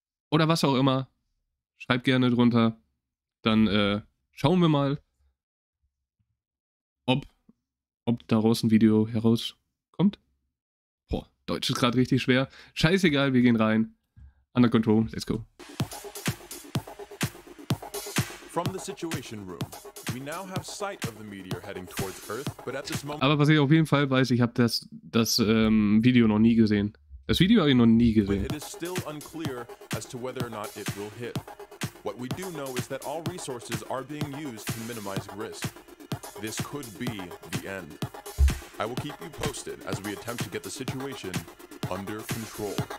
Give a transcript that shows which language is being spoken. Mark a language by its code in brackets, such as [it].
[de] Oder was auch immer, schreibt gerne drunter. Dann schauen wir mal, ob daraus ein Video herauskommt. Boah, Deutsch ist gerade richtig schwer. Scheißegal, wir gehen rein. [en] Under Control, let's go. From the situation room, we now have sight of the meteor heading towards Earth, but at this moment. [de] Aber was ich auf jeden Fall weiß, ich habe das Video noch nie gesehen. Das Video habe ich noch nie gesehen. [en] But it is still unclear as to whether or not it will hit. What we do know is that all resources are being used to minimize risk. This could be the end. I will keep you posted as we attempt to get the situation under control.